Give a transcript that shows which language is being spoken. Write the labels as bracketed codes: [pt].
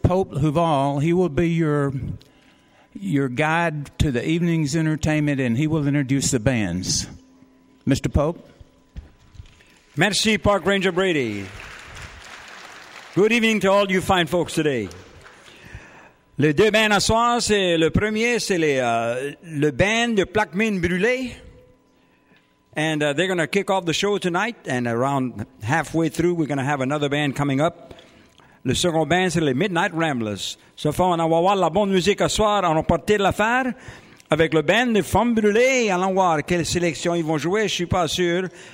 [en] Pope Huval. He will be your guide to the evening's entertainment, and he will introduce the bands. Mr. Pope. [fr] Merci, Park Ranger Brady. [en] Good evening to all you fine folks today. [fr] Les deux bands à soir, c'est le premier, c'est le band de Plaquemine Brûlée. [en] And they're going to kick off the show tonight, and around halfway through, we're going to have another band coming up. [fr] Le second band, c'est les Midnight Ramblers. Ce fond, on va voir la bonne musique à soir, on va partir l'affaire avec le band de Femmes Brûlées. Allons voir quelle sélection ils vont jouer, je ne suis pas sûr.